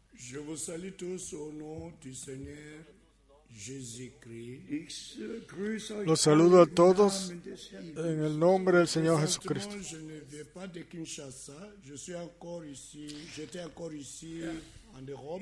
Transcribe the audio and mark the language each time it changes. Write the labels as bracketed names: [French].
[French] Je vous salue tous au nom du Seigneur Jésus-Christ. [Spanish] Los saludo a todos en el nombre del Señor Jesucristo. [French] Je ne viens pas de Kinshasa. Je suis encore ici. J'étais encore ici en Europe.